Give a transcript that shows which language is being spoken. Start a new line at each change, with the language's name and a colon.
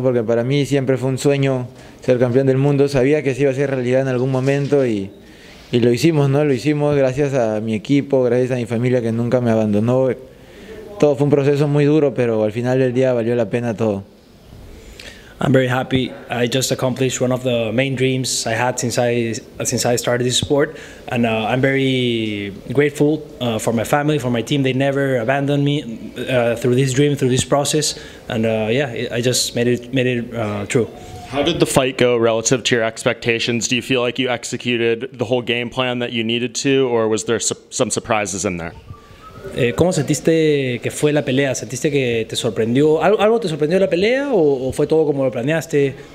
Spanish: Porque para mí siempre fue un sueño ser campeón del mundo. Sabía que se iba a hacer realidad en algún momento y lo hicimos, ¿no? Lo hicimos gracias a mi equipo, gracias a mi familia que nunca me abandonó. Todo fue un proceso muy duro, pero al final del día valió la pena todo.
English: I'm very happy. I just accomplished one of the main dreams I had since I started this sport, and I'm very grateful for my family, for my team. They never abandoned me through this dream, through this process, and I just made it true. How did the fight go relative to your expectations? Do you feel like you executed the whole game plan that you needed to, or was there some surprises in there?
Spanish: ¿Cómo sentiste que fue la pelea? ¿Sentiste que te sorprendió? ¿Algo te sorprendió la pelea o fue todo como lo planeaste?